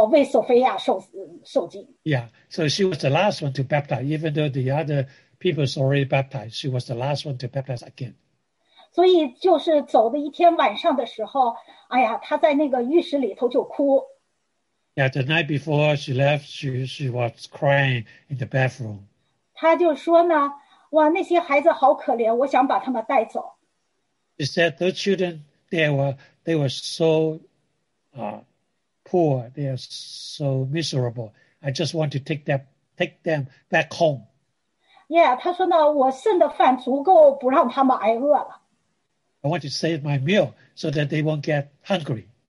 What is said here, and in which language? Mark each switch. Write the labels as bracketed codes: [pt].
[zh] 所以那些牧师们，他们已经把受洗的湿的衣服都换成干的了，最后又换了湿的，为索菲亚受浸。Yeah, [en] so she was the last one to baptize. Even though the other people is already baptized, she was the last one to baptize again. [zh] 所以就是走的一天晚上的时候，哎呀，她在那个浴室里头就哭。Yeah, [en] the night before she left, she was crying in the bathroom. [zh] 她就说呢，哇，那些孩子好可怜，我想把他们带走。 [en] She said those children, they were so poor, they are so miserable. I just want to take them back home. [zh] Yeah, 她说呢，我剩的饭足够不让他们挨饿了。 [en] I want to save my meal so that they won't get hungry.